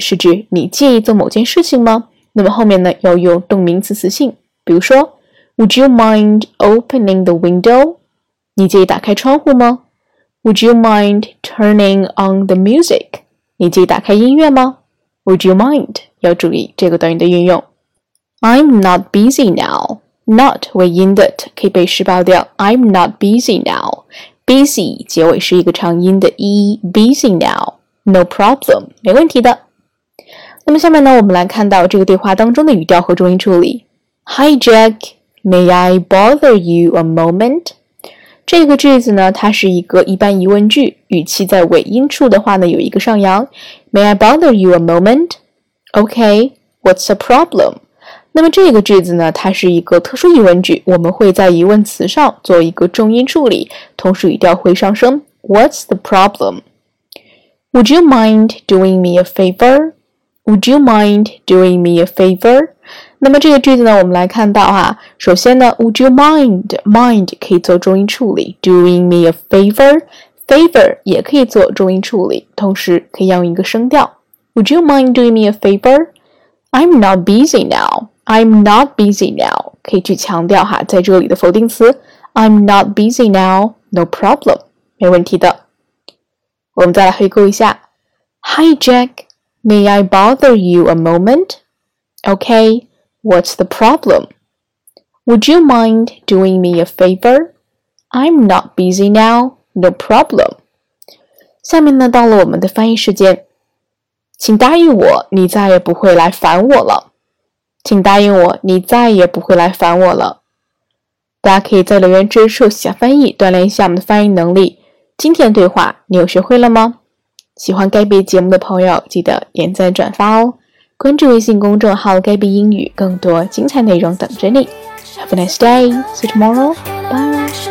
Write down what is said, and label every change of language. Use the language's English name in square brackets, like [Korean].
[Chinese] 是指你介意做某件事情吗？那么后面呢要用动名词词性，比如说 [English] Would you mind opening the window? [Chinese] 你介意打开窗户吗？ [English] Would you mind turning on the music? [Chinese] 你介意打开音乐吗？ [English] Would you mind [Chinese] 要注意这个短语的运用。 [English] I'm not busy now. [Chinese] Not 为 in that 可以被失爆掉。 [English] I'm not busy now [Chinese] Busy 结尾是一个长音的 e, [English] busy now, no problem, [Chinese] 没问题的。那么下面呢，我们来看到这个对话当中的语调和重音处理。 [English] Hi Jack, may I bother you a moment? [Chinese] 这个句子呢，它是一个一般疑问句，语气在尾音处的话呢，有一个上扬。 [English] May I bother you a moment? Okay, what's the problem? [Chinese] 那么这个句子呢，它是一个特殊疑问句，我们会在疑问词上做一个重音处理，同时语调会上升。 [English] What's the problem? Would you mind doing me a favor? Would you mind doing me a favor? [Chinese] 那么这个句子呢，我们来看到啊，首先呢 ,would you mind 可以做重音处理 ,doing me a favor 也可以做重音处理，同时可以要用一个声调。 [English] Would you mind doing me a favor? I'm not busy now. I'm not busy now. [Chinese] 可以去强调哈，在这里的否定词 [English] I'm not busy now. No problem. [Chinese] 没问题的。我们再来回顾一下。 [English] Hi Jack, may I bother you a moment? Okay, what's the problem? Would you mind doing me a favor? I'm not busy now. No problem. [Chinese] 下面呢，到了我们的翻译时间。请答应我，你再也不会来烦我了。请答应我，你再也不会来烦我了。大家可以在留言区说一下翻译，锻炼一下我们的翻译能力。今天对话你有学会了吗？喜欢 Gabby 节目的朋友记得点赞转发哦，关注微信公众号 Gabby 英语，更多精彩内容等着你。 [English] Have a nice day, see you tomorrow, bye.